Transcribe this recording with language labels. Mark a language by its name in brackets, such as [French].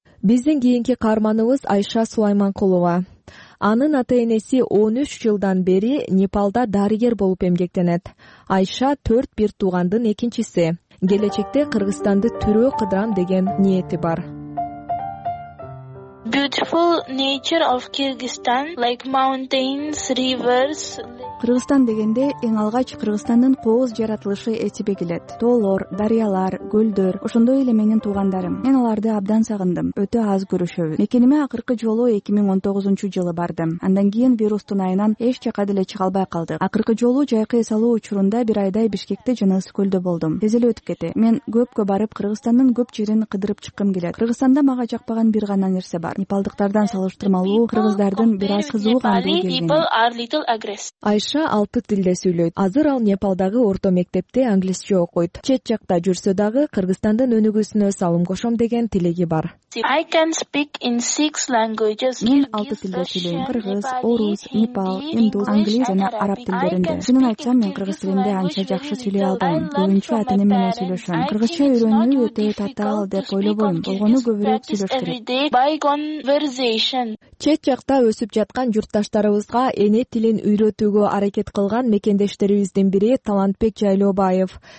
[Kyrgyz] Биздин кийинки каарманыбыз Айша Сулайманкулова. Анын ата-энеси 13 жылдан бери Непалда дарыгер болуп эмгектенет. Айша 4 бир туугандын экинчиси. Келечекте Кыргызстанды түрө кыдырам деген ниети бар. [English] Beautiful nature of Kyrgyzstan, like mountains, rivers. [Kyrgyz] Кыргызстан дегенде эң алгач Кыргызстандын кооз жаратылышы этибе келет. Тоолор, дарыялар, көлдөр, ошондой эле менин туугандарым. Мен аларды абдан сагындым. Өтө аз көрүшөбүз. Мекениме акыркы жолу 2019 жылы бардым. Андан кийин вирустун айынан эч жака деле чыга албай калдык. Акыркы жолу жайкы эс алуу учурунда бир айдай Бишкекте жана Ысык-Көлдө болдум. Тез эле өтүп кетти. Мен көпкө барып Кыргызстандын көп жерин кыдырып чыккым келет. Кыргызстанда мага жакпаган бир гана нерсе бар. Непалдыктардан салыштырмалуу кыргыздардын бир аз кызуу кандай келген. Айша 6 тилде сүйлөйт. Азыр ал Непалдагы орто мектепте англисче окуйт. Чет жакта жүрсө дагы Кыргызстандын өнүгүүсүнө салым кошом деген тилеги бар. [English] I can speak in 6 languages. [Kyrgyz] Мен 6 тилде сүйлөйм. Кыргыз, орус, непал, индус, англис жана араб тилдеринде. Чынын айтсам, мен кыргыз тилинде анча жакшы сүйлөй албайм. Көбүнчө ата-энем менен сүйлөшөм. Кыргызча үйрөнүү өтө татаал деп ойлобойм. Болгону көбүрөөк сүйлөш керек. Чет жакта өсүп жаткан журтташтарыбызга эне тилин үйрөтүүгө аракет кылган мекендештерибиздин бири Талантбек Жайлообаев.